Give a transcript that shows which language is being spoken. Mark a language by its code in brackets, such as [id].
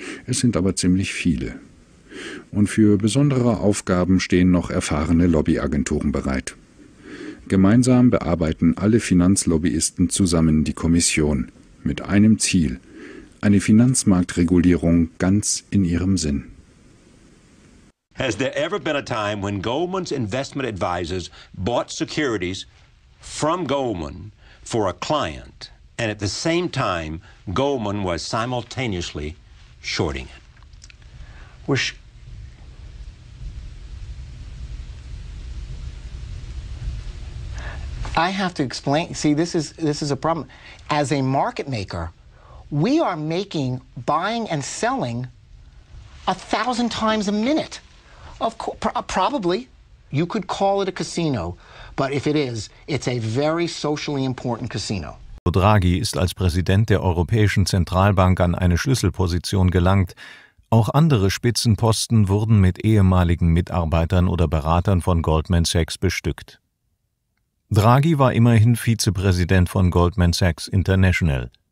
[de] Es sind aber ziemlich viele. Und für besondere Aufgaben stehen noch erfahrene Lobbyagenturen bereit. Gemeinsam bearbeiten alle Finanzlobbyisten zusammen die Kommission mit einem Ziel: eine Finanzmarktregulierung ganz in ihrem Sinn. [en] Has there ever been a time when Goldman's investment advisors bought securities from Goldman for a client and at the same time Goldman was simultaneously shorting it? I have to explain. See, this is a problem. As a market maker, we are making buying and selling 1,000 times a minute. Of course, probably you could call it a casino, but if it is, it's a very socially important casino. [de] Draghi ist als Präsident der Europäischen Zentralbank an eine Schlüsselposition gelangt. Auch andere Spitzenposten wurden mit ehemaligen Mitarbeitern oder Beratern von Goldman Sachs bestückt. Draghi war immerhin Vizepräsident von Goldman Sachs International.